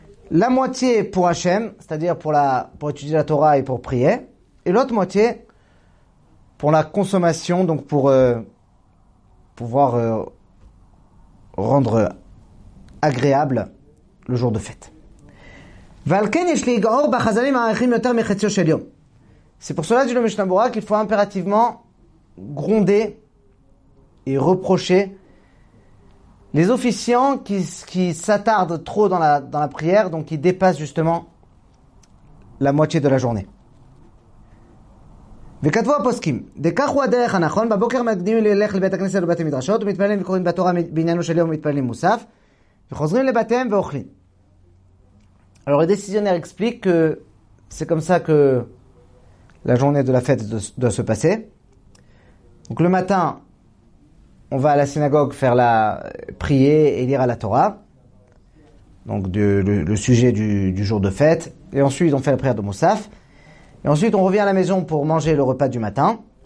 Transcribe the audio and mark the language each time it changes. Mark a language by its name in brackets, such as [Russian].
[French] La moitié pour Hashem, c'est-à-dire pour étudier la Torah et pour prier, et l'autre moitié pour la consommation, donc pour pouvoir rendre agréable le jour de fête. C'est pour cela, dit le Mishnah Berurah, qu'il faut impérativement gronder et reprocher les officiants qui s'attardent trop dans la prière, donc qui dépassent justement la moitié de la journée. [Hebrew] וכתבו הפוסקים, דכך הוא הדרך הנכון, בבוקר מקדימים ללך לבית הכנסת ובית המדרשות, ומתפללים וקוראים בתורה בעניינו של יום ומתפללים מוסף, וחוזרים לבתיהם ואוכלים. [French] Alors le décisionnaire explique que c'est comme ça que la journée de la fête doit se passer. Donc le matin, on va à la synagogue faire la prier et lire à la Torah, donc le sujet du jour de fête, et ensuite on fait la prière de Moussaf, et ensuite on revient à la maison pour manger le repas du matin,